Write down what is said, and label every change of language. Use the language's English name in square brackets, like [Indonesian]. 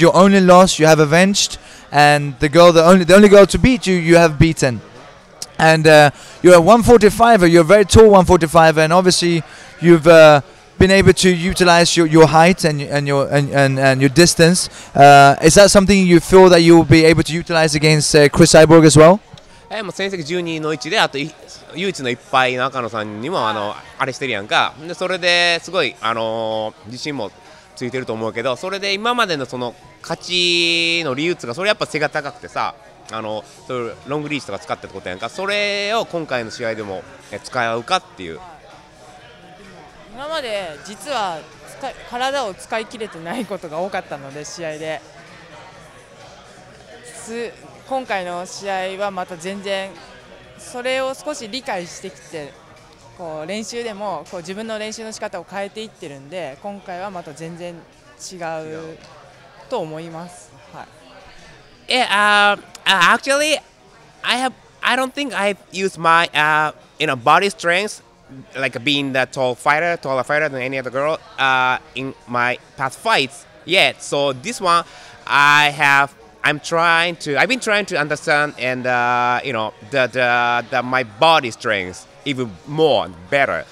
[English] Your only loss, you have avenged, and the only girl to beat you, you have beaten. And you're a 145er. You're a very tall 145er, and obviously you've been able to utilize your height and your distance. Is that something you feel that you'll be able to utilize against Chris Cyborg as well? [Japanese] Hey, もう戦績12-1で、あと唯一の1敗の赤野さんにもあれしてるやんか。で、それですごい自信もついてると思うけど、それで今までのその勝ちの理由とか、それやっぱ背が高くてさ、そういうロングリーチとか使ってたことやんか。それを今回の試合でも使えるかっていう。今まで実は体を使い切れてないことが多かったので試合で今回の試合はまた全然それを少し理解してきてこう練習でもこう自分の練習の仕方を変えていってるんで今回はまた全然違うと思います。はい。 [English] Actually, I don't think I use my body strength. Like being the taller fighter than any other girl in my past fights yet. So this one, I've been trying to understand and the my body strength even more and better.